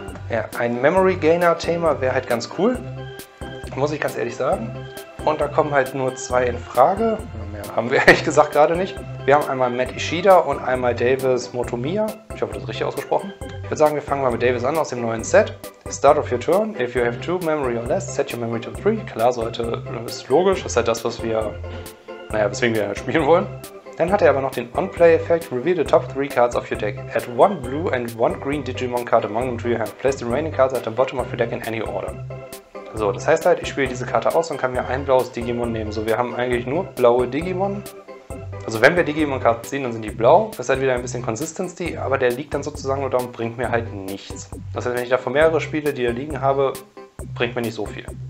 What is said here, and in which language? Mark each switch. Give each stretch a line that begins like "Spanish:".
German: Ja, ein Memory Gainer Tamer wäre halt ganz cool, muss ich ganz ehrlich sagen. Und da kommen halt nur 2 in Frage. Mehr haben wir ehrlich gesagt gerade nicht. Wir haben einmal Matt Ishida und einmal Davis Motomiya. Ich hoffe, das ist richtig ausgesprochen. Ich würde sagen, wir fangen mal mit Davis an aus dem neuen Set.
English: Start of your turn. If you have 2 memory or less, set your memory to 3.
German: Klar, sollte, ist logisch. Das ist halt das, was wir, naja, weswegen wir spielen wollen. Dann hat er aber noch den On-Play-Effekt.
English: Reveal the top 3 cards of your deck. Add 1 blue and 1 green Digimon card among them to your hand. Place the remaining cards at the bottom of your deck in any order.
German: So, das heißt halt, ich spiele diese Karte aus und kann mir ein blaues Digimon nehmen. So, wir haben eigentlich nur blaue Digimon. Also, wenn wir Digimon-Karten ziehen, dann sind die blau. Das ist halt wieder ein bisschen Consistency, aber der liegt dann sozusagen nur da und bringt mir halt nichts. Das heißt, wenn ich davon mehrere spiele, die da liegen habe, bringt mir nicht so viel.